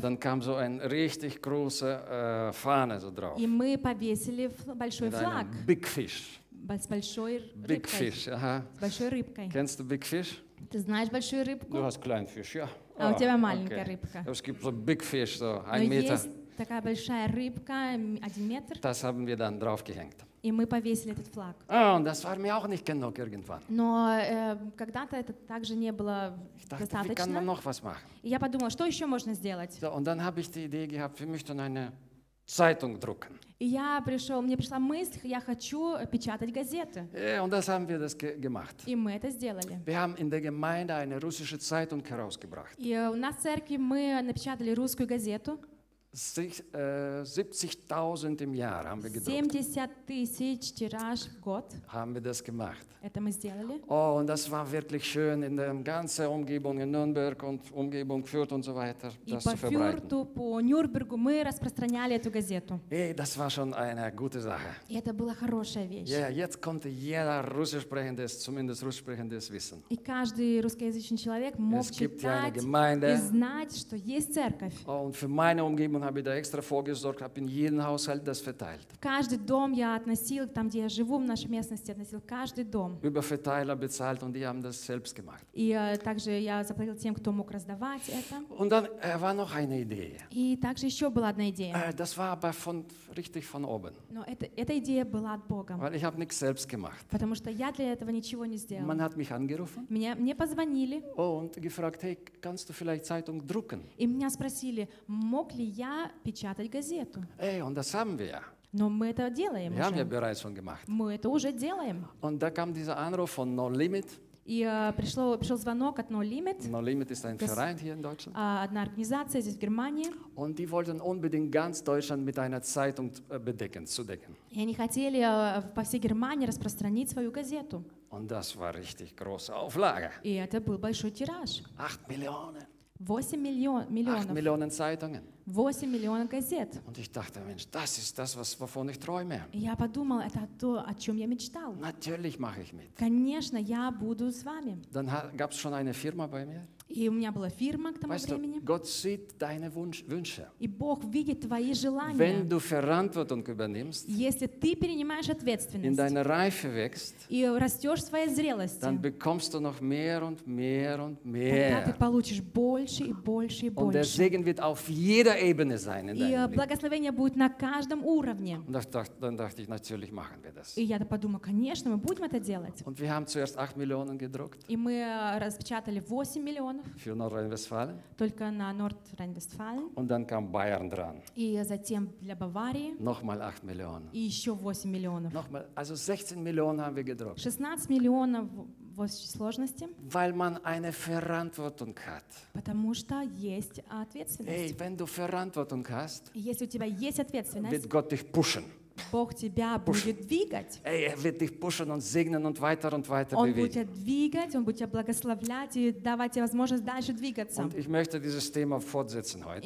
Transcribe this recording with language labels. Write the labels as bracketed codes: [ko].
[de] Dann kam so ein richtig große Fahne so drauf. [ru] И мы повесили большой флаг. [de] Big Fish. [ru] Big Fish, с большой рыбкой. [de] Kennst du Big Fish? [ru] Ты знаешь большую рыбку? [de] Du hast kleinen Fisch, ja. [ru] А у тебя маленькая рыбка. [de] Es gibt so Big Fish, so ein Meter. [ru] Есть такая большая рыбка, один метр. [de] Das haben wir dann draufgehängt. [ru] И мы повесили этот флаг. [de] Und das war mir auch nicht genug irgendwann. [ru] Но когда-то это также не было достаточно. [de] Wie kann man noch was machen? [ru] И я подумал, что еще можно сделать? [de] So, und dann habe ich die Idee gehabt, wir möchten eine Zeitung drucken. [ru] И я пришел, мне пришла мысль, я хочу печатать газеты. [de] Und das haben wir das gemacht. [ru] И мы это сделали. [de] Wir haben in der Gemeinde eine russische Zeitung herausgebracht. [ru] И у нас в церкви мы напечатали русскую газету. [de] 70.000 im Jahr haben wir gedruckt. [ru] 70.000 [de] haben wir das gemacht. [ru] Это мы сделали. [de] Oh, und das war wirklich schön in der ganzen Umgebung in Nürnberg und Umgebung Fürth und so weiter, das zu verbreiten. [ru] И по Фюрту, по Нюрнбергу мы распространяли эту газету. [de] Hey, das war schon eine gute Sache. [ru] И это была хорошая вещь. [de] Yeah, jetzt konnte jeder Russischsprechende, zumindest Russischsprechendes wissen. [ru] И каждый русскоязычный человек мог читать [de] eine Gemeinde, [ru] и знать, что есть церковь. [de] Oh, und für meine Umgebung und habe da extra vorgesorgt, habe in jedem Haushalt das verteilt. [ru] Каждый дом я относил, там где я живу в нашей местности, относил каждый дом. [de] Über Verteiler bezahlt und die haben das selbst gemacht. [ru] И также я заплатил тем, кто мог раздавать это. [de] Und dann war noch eine Idee. [ru] И также еще была одна идея. [de] Das war aber von richtig von oben. [ru] Но эта идея была от Бога. [de] Weil ich habe nichts selbst gemacht. [ru] Потому что я для этого ничего не сделал. [de] Man hat mich angerufen. [ru] Мне позвонили. [de] Oh, und gefragt, hey, kannst du vielleicht Zeitung drucken? [ru] И меня спросили, мог ли я печатать газету. [de] Hey, und das haben wir. [ru] Но мы это делаем [de] wir [ru] уже. [de] Haben wir bereits schon gemacht. [ru] Мы это уже делаем. [de] Und da kam dieser Anruf von No Limit. [ru] И пришел звонок от No Limit. [de] No Limit ist ein Verein hier in Deutschland. [ru] Одна организация здесь в Германии. [de] Und die wollten unbedingt ganz Deutschland mit einer Zeitung bedecken, zu decken. [ru] И они хотели по всей Германии распространить свою газету. [de] Und das war richtig große Auflage. [ru] И это был большой тираж. [de] 8 Millionen. [ru] 8 миллионов. [de] 8 Millionen Zeitungen. [ru] 8 миллионов газет. [de] Und ich dachte, Mensch, das ist das, wovon ich träume. [ru] Я подумал, это то, о чем я мечтал. [de] Natürlich mache ich mit. [ru] Конечно, я буду с вами. [de] Dann gab es schon eine Firma bei mir. [ru] И у меня была фирма к тому [de] weißt [ru] времени. [de] Du, Gott sieht deine Wünsche. [ru] И Бог видит твои желания. [de] Wenn du Verantwortung übernimmst, [ru] если ты перенимаешь ответственность, [de] in deine Reife wächst, [ru] и растешь в своей зрелости, [de] dann bekommst du noch mehr und mehr und mehr. [ru] Тогда ты получишь больше и больше и больше. [de] Und der Segen wird auf jeder Ebene sein in [ru] и благословение будет на каждом уровне. [de] Und dann dachte ich, natürlich machen wir das. [ru] И я подумал, конечно, мы будем это делать. [de] Und wir haben zuerst 8 Millionen gedruckt. [ru] И мы распечатали 8 миллионов. [de] Für Nordrhein-Westfalen. [ru] Только на Nordrhein-Westfalen. [de] Und dann kam Bayern dran. [ru] И затем для Баварии. [de] Nochmal 8 Millionen. [ru] И еще 8 миллионов. [de] Nochmal, also 16 Millionen haben wir gedruckt. [ru] 16 миллионов в общей сложности. [de] Weil man eine Verantwortung hat. [ru] Потому что есть ответственность. [de] Hey, wenn du Verantwortung hast, [ru] если у тебя есть ответственность, [de] wird Gott dich pushen. [ru] Бог тебя будет двигать. [de] Hey, er wird dich pushen und segnen und weiter und weiter bewegen. [ru] Он будет тебя двигать, он будет тебя благословлять и давать тебе возможность дальше двигаться. [de] Und ich möchte dieses Thema fortsetzen heute.